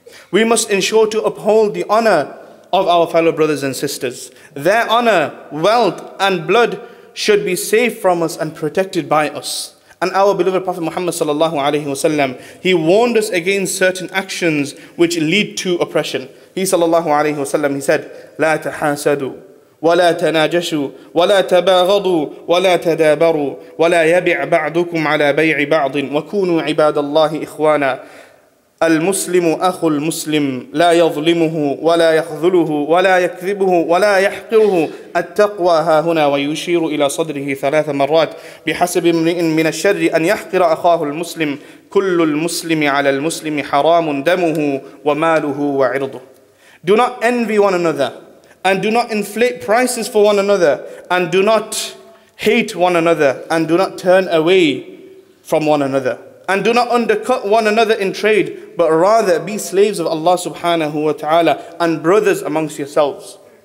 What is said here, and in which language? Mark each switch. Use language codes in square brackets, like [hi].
[en] We must ensure to uphold the honor of our fellow brothers and sisters. Their honor, wealth, and blood should be safe from us and protected by us. And our beloved Prophet Muhammad sallallahu alaihi wasallam, he warned us against certain actions which lead to oppression. He sallallahu alaihi wasallam, he said, [ar] لا تحاسدوا ولا تناجشوا ولا تباغضوا ولا تدابروا ولا يبع بعضكم على بيع بعض وكونوا عباد الله إخوانا. المسلم أخو المسلم لا يظلمه ولا يخذله ولا يكذبه ولا يحقره. التقوى ها هنا ويشير إلى صدره ثلاث مرات بحسب امرئ من الشر أن يحقر أخاه المسلم. كل المسلم على المسلم حرام دمه وماله وعرضه. [en] Do not envy one another, and do not inflate prices for one another, and do not hate one another, and do not turn away from one another, and do not undercut one another in trade, but rather be slaves of Allah subhanahu wa ta'ala and brothers amongst yourselves.